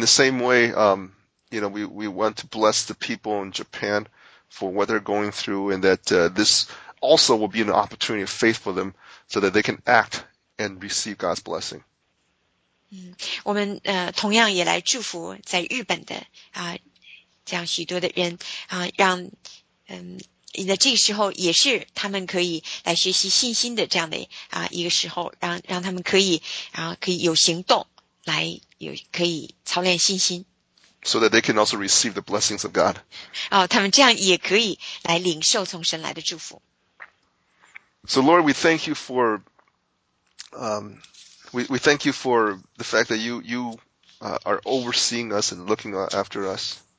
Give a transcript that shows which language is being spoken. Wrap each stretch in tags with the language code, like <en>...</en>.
<en>the same way, you know, we want to bless the people in Japan. For what they're going through, and that this also will be an opportunity of faith for them, so that they can act and receive God's blessing.</en> <zh>我们同样也来祝福在日本的这样许多的人，让在这个时候也是他们可以来学习信心的这样的一个时候，让他们可以有行动来，可以操练信心。</zh> <en>So that they can also receive the blessings of God.</en> <zh>他们这样也可以来领受从神来的祝福。So</zh> <en>Lord, we thank you for, we thank you for the fact that you are overseeing us and looking after us.</en>